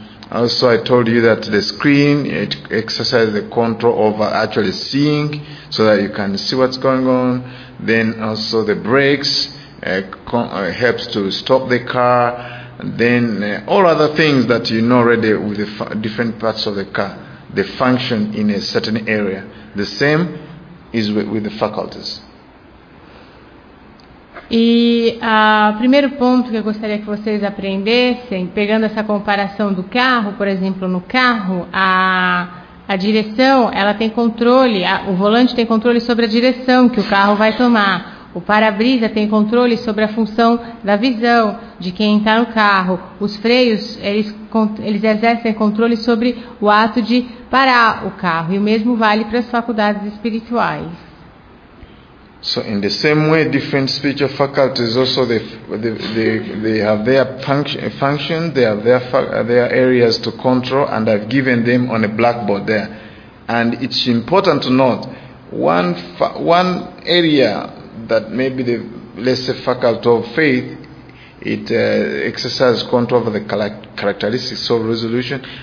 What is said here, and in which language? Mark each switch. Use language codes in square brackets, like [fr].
[en] Also, I told you that the screen, it exercises the control over actually seeing, so that you can see what's going on. Then also the brakes helps to stop the car. And then all other things that you know already with the different parts of the car, they function in a certain area. The same is with the faculties. [pt] E o primeiro ponto que eu gostaria que vocês aprendessem, pegando essa comparação do carro, por exemplo, no carro, a direção, ela tem controle, o volante tem controle sobre a direção que o carro vai tomar. O para-brisa tem controle sobre a função da visão de quem está no carro. Os freios, eles exercem controle sobre o ato de parar o carro. E o mesmo vale para as faculdades espirituais. [en] So in the same way, different spiritual faculties also they have their function, they have their areas to control, and I've given them on a blackboard there. And it's important to note one area that maybe the lesser faculty of faith it exercises control over the characteristics of resolution.